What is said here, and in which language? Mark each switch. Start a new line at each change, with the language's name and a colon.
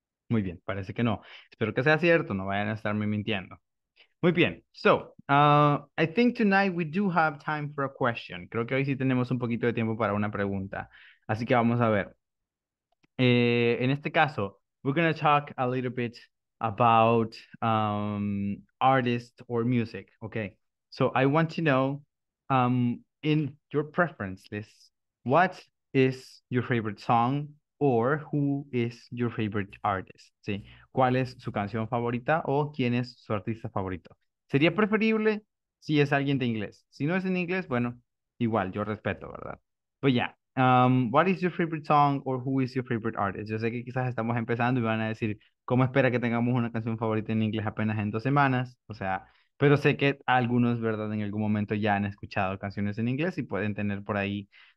Spanish: Muy bien, parece que no. Espero que sea cierto, no vayan a estarme mintiendo. Muy bien,
English: so, I think tonight we do have time for a question.
Spanish: Creo que hoy sí tenemos un poquito de tiempo para una pregunta. Así que vamos a ver. En este caso,
English: we're going to talk a little bit about artists or music, ¿ok? So I want to know, in your preference list, what is your favorite song? Or who is your favorite artist?
Spanish: ¿Sí? ¿Cuál es su canción favorita o quién es su artista favorito? Sería preferible si es alguien de inglés. Si no es en inglés, bueno, igual, yo respeto, ¿verdad? Pues ya,
English: what is your favorite song or who is your favorite artist?
Spanish: Yo sé que quizás estamos empezando y van a decir, ¿cómo espera que tengamos una canción favorita en inglés apenas en 2 semanas? O sea, pero sé que algunos, ¿verdad? En algún momento ya han escuchado canciones en inglés y pueden tener por ahí.